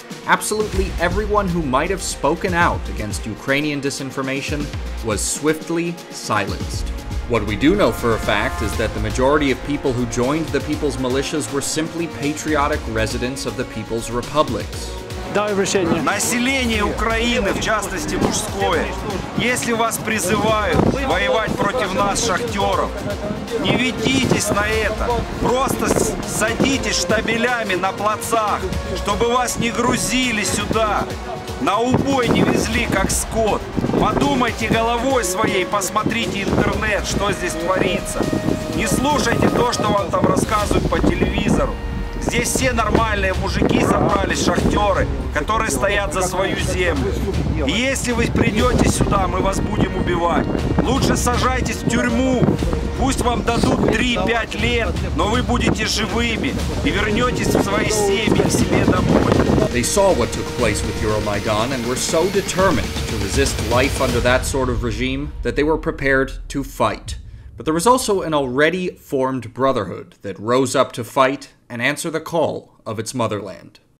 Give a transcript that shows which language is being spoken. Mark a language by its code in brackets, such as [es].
[en] Absolutely everyone who might have spoken out against Ukrainian disinformation was swiftly silenced. What we do know for a fact is that the majority of people who joined the people's militias were simply patriotic residents of the People's Republics. [ru] Население Украины, в частности мужское, если вас призывают воевать против нас, шахтеров, не ведитесь на это. Просто садитесь штабелями на плацах, чтобы вас не грузили сюда, на убой не везли, как скот. Подумайте головой своей, посмотрите интернет, что здесь творится. Не слушайте то, что вам там рассказывают по телевизору. Здесь все нормальные мужики собрались, шахтеры, которые стоят за свою землю. И если вы придете сюда, мы вас будем убивать. Лучше сажайтесь в тюрьму. Пусть вам дадут 3-5 лет, но вы будете живыми и вернетесь в свои семьи, к себе домой. [en] They saw what took place with Euromaidan and were so determined to resist life under that sort of regime that they were prepared to fight. But there was also an already formed brotherhood that rose up to fight and answer the call of its motherland.